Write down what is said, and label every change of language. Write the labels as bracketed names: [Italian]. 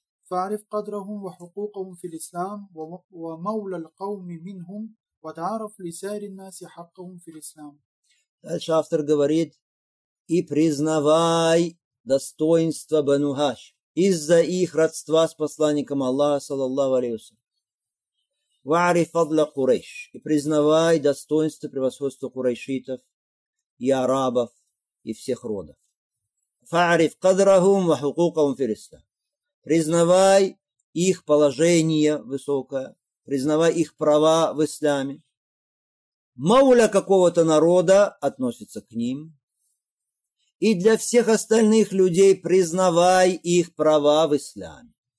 [Arabic] فاعرف قدرهم وحقوقهم في الإسلام ومولى القوم منهم وتعرف لسائر الناس حقهم في الإسلام. [Russian] Дальше автор говорит: и признавай достоинство Бану Хашим из-за их родства с посланником Аллаха саллаллаху алейхи ва саллям. [Arabic] واعرف فضل قريش [Russian] и признавай достоинство превосходства курайшитов и арабов и всех родов. [Arabic] فاعرف قدرهم وحقوقهم في الإسلام. [Russian] Признавай их положение высокое, признавай их права в исламе. Мауля какого-то народа относится к ним. И для всех остальных людей признавай их права в исламе.